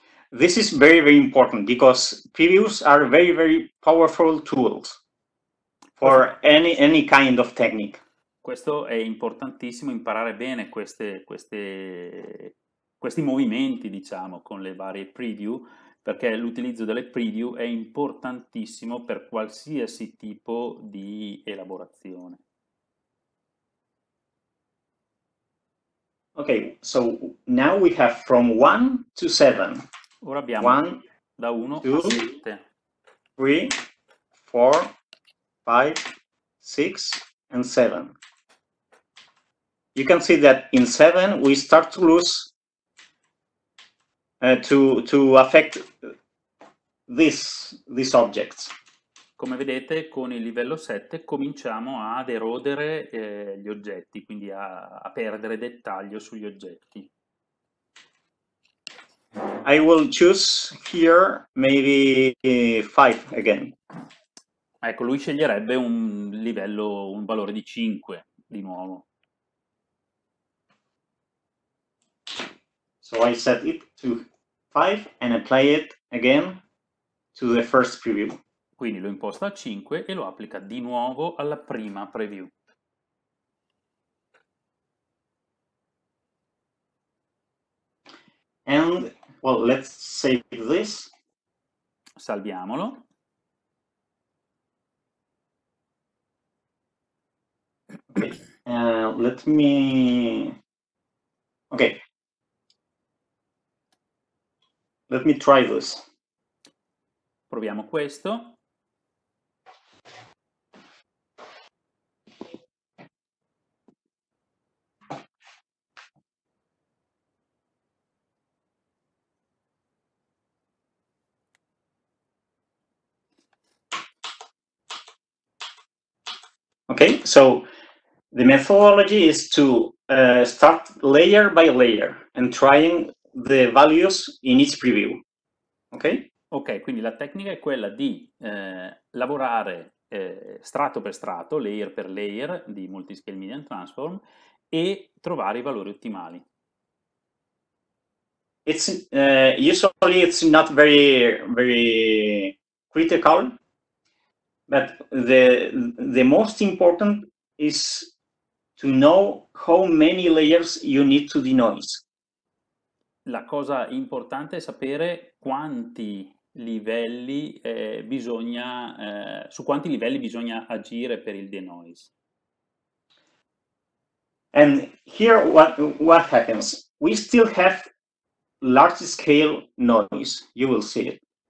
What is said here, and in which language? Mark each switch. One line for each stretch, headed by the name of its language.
English: This is very, very important because previews are very, very powerful tools for any kind of technique.
Italian: Questo è importantissimo, imparare bene questi movimenti, diciamo, con le varie preview, perché l'utilizzo delle preview è importantissimo per qualsiasi tipo di elaborazione.
English: Okay, so now we have from 1 to 7.
Italian: Ora abbiamo one, da 1
English: two,
Italian: a 7.
English: 3, 4, 5, 6, and 7. You can see that in 7 we start to lose, to affect this object.
Italian: Come vedete, con il livello 7 cominciamo ad erodere gli oggetti, quindi a perdere dettaglio sugli oggetti.
English: I will choose here maybe 5 again.
Italian: Ecco, lui sceglierebbe un livello, un valore di 5 di nuovo.
English: So I set it to 5 and apply it again to the first preview.
Italian: Quindi lo imposta a 5 e lo applica di nuovo alla prima preview.
English: And, well, let's save this.
Italian: Salviamolo.
English: Okay. Let me... Okay. Let me try this.
Italian: Proviamo questo.
English: Okay, so the methodology is to start layer by layer and trying the values in each preview. Okay?
Italian: Okay, quindi la tecnica è quella di lavorare strato per strato, layer per layer di multiscale medium transform e trovare i valori ottimali.
English: It's usually it's not very very critical. But the most important is to know how many layers you need to denoise.
Italian: La cosa importante è sapere quanti livelli bisogna su quanti livelli bisogna agire per il denoise.
English: And here what happens? We still have large scale noise. You will see it.